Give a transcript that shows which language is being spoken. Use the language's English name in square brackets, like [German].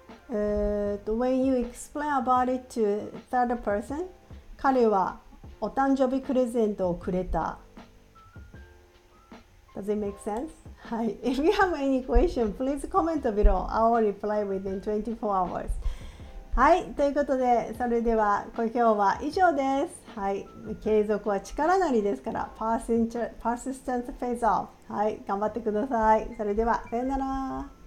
[English] When you explain about it to third person, [Japanese] 彼はお誕生日プレゼントをくれた。 [English] Does it make sense? [Japanese] はい。 [English] If you have any question, please comment below. I will reply within 24 hours. [Japanese] はい。ということで、それでは今日は以上です。はい。継続は力なりですから、 [English] Persistence pays off. [Japanese] はい。頑張ってください。それでは、さよなら。